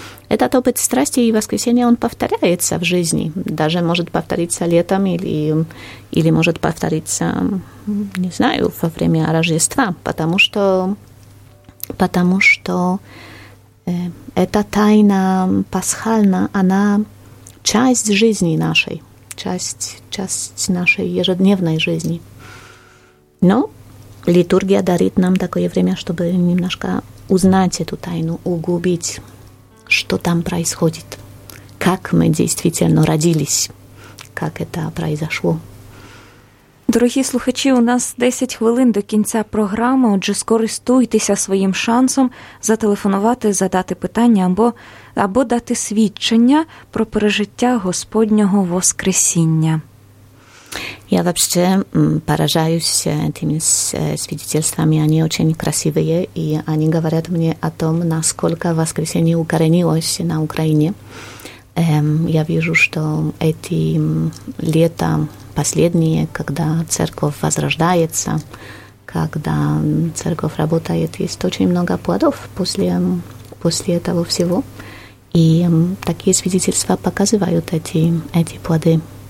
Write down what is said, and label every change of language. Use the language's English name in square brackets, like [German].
[Russian] Этот опыт страсти и воскресения, он повторяется в жизни, даже может повториться летом или может повториться, во время Рождества, потому что эта тайна пасхальна, она часть жизни нашей, часть нашей ежедневной жизни. Но литургия дарит нам такое время, чтобы немножко узнать эту тайну, углубить, что там происходит, как мы действительно родились, как это произошло. [Ukrainian] Дорогі слухачі, у нас 10 хвилин до кінця програми, отже, скористуйтеся своїм шансом зателефонувати, задати питання або дати свідчення про пережиття Господнього Воскресіння. Я взагалі поражаюся тими свідченнями, вони дуже красиві, і вони говорять мені о том, наскільки Воскресіння укоренилося на Україні. [Russian] Я вижу, что эти лета последние, когда церковь возрождается, когда церковь работает, есть очень много плодов после этого всего. И такие свидетельства показывают эти плоды.